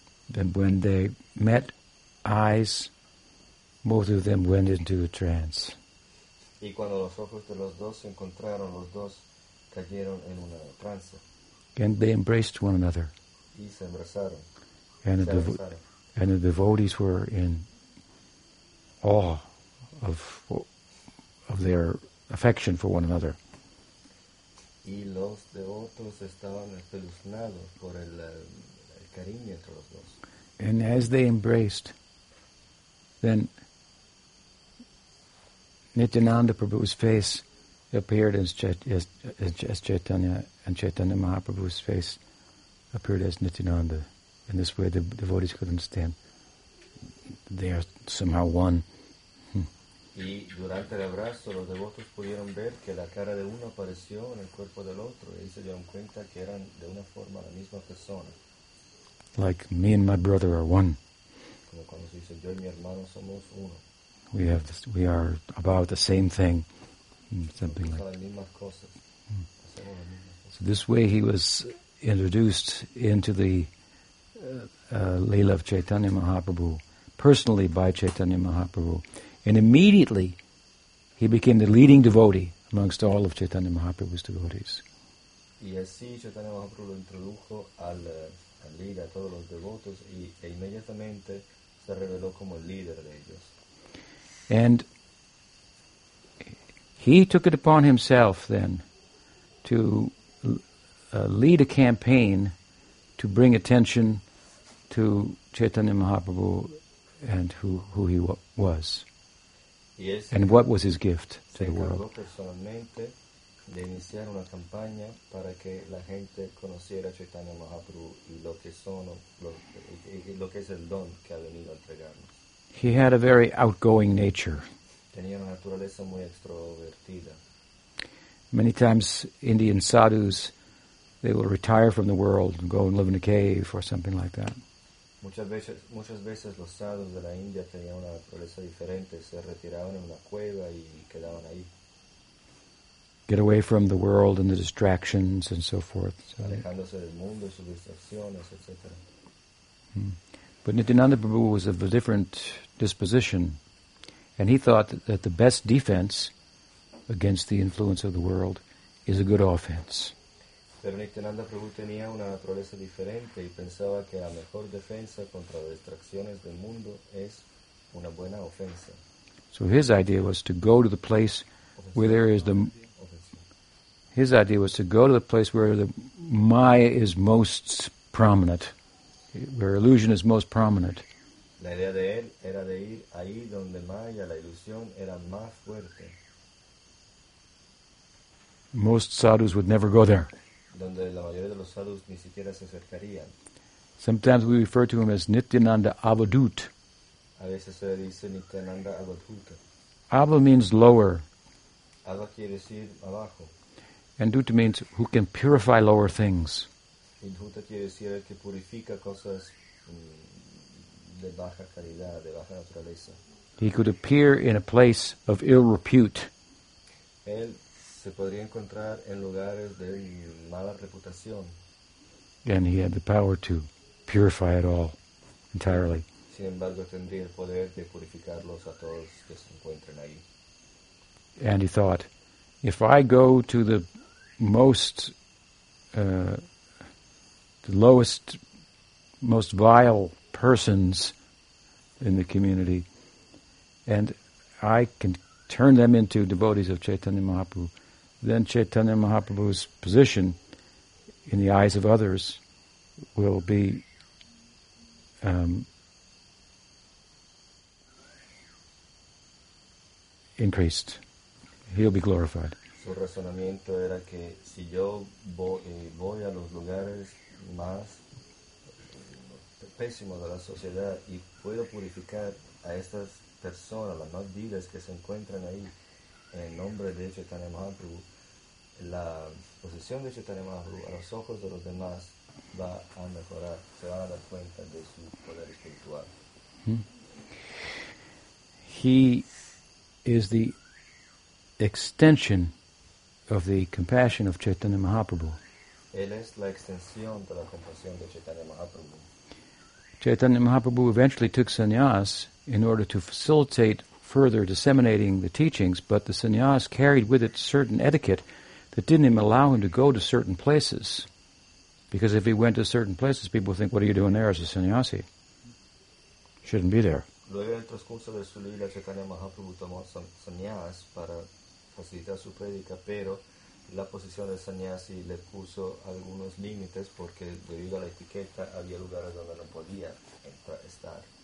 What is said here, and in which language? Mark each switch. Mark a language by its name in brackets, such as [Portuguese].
[English] Then when they met eyes, both of them went into a trance. [Spanish] Y cuando los ojos de los dos se encontraron, los dos cayeron en una trance. [English] And they embraced one another. [Spanish] Y se abrazaron. [English] And the devotees were in awe of their affection for one another. [Spanish] Y los devotos estaban espeluznados por el cariño entre los dos. [English] And as they embraced, then Nityananda Prabhu's face appeared as Chaitanya, and Chaitanya Mahaprabhu's face appeared as Nityananda. In this way, the devotees could understand they are somehow one. [Spanish] Y durante el abrazo, los devotos pudieron ver que la cara de uno apareció en el cuerpo del otro, y se dieron cuenta que eran de una forma la misma persona. [English] Like me and my brother are one. [Spanish] Como cuando se dice, yo y mi hermano somos uno. [English] We have this, we are about the same thing, something like that. So this way he was introduced into the Leela of Chaitanya Mahaprabhu, personally by Chaitanya Mahaprabhu, and immediately he became the leading devotee amongst all of Chaitanya Mahaprabhu's devotees. [Spanish] Y así Chaitanya Mahaprabhu lo introdujo al Leela, a todos los devotos, e inmediatamente se reveló como el líder de ellos. [English] And he took it upon himself then to lead a campaign to bring attention to Chaitanya Mahaprabhu and who he was. Yes. And what was his gift to the world. [Spanish] Se encargó personalmente de iniciar una campaña para que la gente conociera Chaitanya Mahaprabhu y lo que es el don que ha venido a entregarnos. [English] He had a very outgoing nature. [Spanish] Tenía una naturaleza muy extrovertida. [English] Many times Indian sadhus, they will retire from the world and go and live in a cave or something like that. [Spanish] Muchas veces los sadhus de la India tenían una naturaleza diferente, se retiraban en una cueva y quedaban ahí. [English] Get away from the world and the distractions and so forth. [Spanish] Alejándose del mundo y sus distracciones, etc. [English] But Nityananda Prabhu was of a different disposition, and he thought that the best defense against the influence of the world is a good offense. [Spanish] Pero Nityananda Prabhu tenía una naturaleza diferente y pensaba que la mejor defensa contra las distracciones del mundo es una buena ofensa. [English] So his idea was to go to the place where there is the... His idea was to go to the place where the Maya is most prominent, where illusion is most prominent. [Spanish] La idea de él era de ir ahí donde Maya, la ilusión, era más fuerte. [English] Most sadhus would never go there. [Spanish] Donde la mayoría de los sadhus ni siquiera se acercarían. [English] Sometimes we refer to him as Nityananda Avadhut. [Spanish] A veces se dice Nityananda Avadhut. [English] Ava means lower. [Spanish] Ava quiere decir abajo. [English] And Dhuta means who can purify lower things. [Spanish] Dhuta quiere decir el que purifica cosas de baja calidad, de baja naturaleza. [English] He could appear in a place of ill repute. [Spanish] Él se podría encontrar en lugares de mala reputación. [English] And he had the power to purify it all, entirely. [Spanish] Sin embargo, tendría el poder de purificarlos a todos que se encuentren ahí. [English] And he thought, if I go to the most... the lowest, most vile persons in the community, and I can turn them into devotees of Chaitanya Mahaprabhu, then Chaitanya Mahaprabhu's position in the eyes of others will be increased. He'll be glorified. [Spanish] Su razonamiento era que si yo voy a los lugares más pésimo de la sociedad y puedo purificar a estas personas, las más viles que se encuentran ahí, en nombre de Chaitanya Mahaprabhu, la posición de Chaitanya Mahaprabhu a los ojos de los demás va a mejorar, se van a dar cuenta de su poder espiritual. [English] He is the extension of the compassion of Chaitanya Mahaprabhu. [Spanish] Él es la extensión de la compasión de Chaitanya Mahaprabhu. [English] Chaitanya Mahaprabhu eventually took sannyas in order to facilitate further disseminating the teachings, but the sannyas carried with it certain etiquette that didn't even allow him to go to certain places. Because if he went to certain places, people would think, what are you doing there as a sannyasi? Shouldn't be there. [Spanish] Luego en el transcurso de su vida, Chaitanya Mahaprabhu tomó sannyas para facilitar su predica, pero la posición de sannyasi le puso algunos límites porque debido a la etiqueta había lugares donde no podía estar.